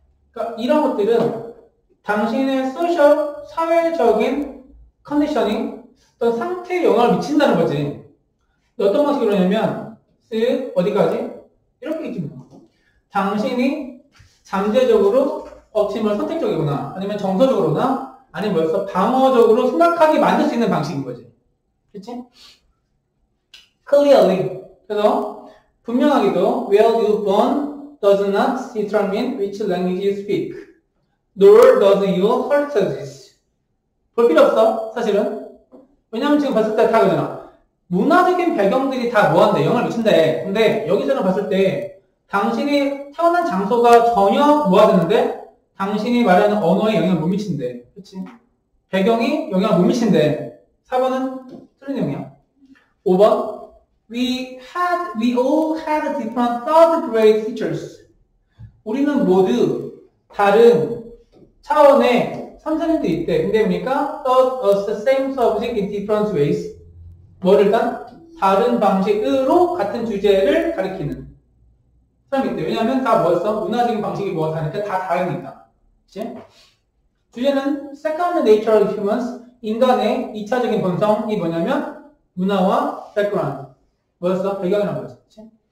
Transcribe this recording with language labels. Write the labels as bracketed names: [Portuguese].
[Korean] 그러니까 이런 것들은 당신의 소셜, 사회적인 컨디셔닝, 또 상태에 영향을 미친다는 거지. 어떤 방식이 그러냐면, 어디까지? 이렇게 있지 뭐. 당신이 잠재적으로 억지면 선택적이거나, 아니면 정서적으로나, 아니면 뭐였어? 방어적으로 생각하게 만들 수 있는 방식인 거지. 그치? [English] Clearly. [Korean] 그래서, 분명하게도, [English] where you born does not determine which language you speak. Nor does your heritage. [Korean] 볼 필요 없어, 사실은. 왜냐면 지금 봤을 때 다 그러잖아. 문화적인 배경들이 다 뭐한데? 영향을 미친다. 근데, 여기서는 봤을 때, 당신이 태어난 장소가 전혀 뭐하는데 당신이 말하는 언어에 영향을 못 미친대. 그치. 배경이 영향을 못 미친대. 4번은 틀린 내용이야. 5번. [English] We all had different third grade teachers. [Korean] 우리는 모두 다른 차원의 선생님들이 있대. 근데 뭡니까? [English] Taught us the same subject in different ways. [Korean] 뭐를 일단? 다른 방식으로 같은 주제를 가르치는 사람이 있대. 왜냐하면 다 뭐였어? 문화적인 방식이 뭐였어? 하니까 다 다릅니다. 그치? 주제는 [English] Second Nature of Humans, [Korean] 인간의 2차적인 본성이 뭐냐면 문화와 background, 뭐였어? 배경이란 거지. 그치?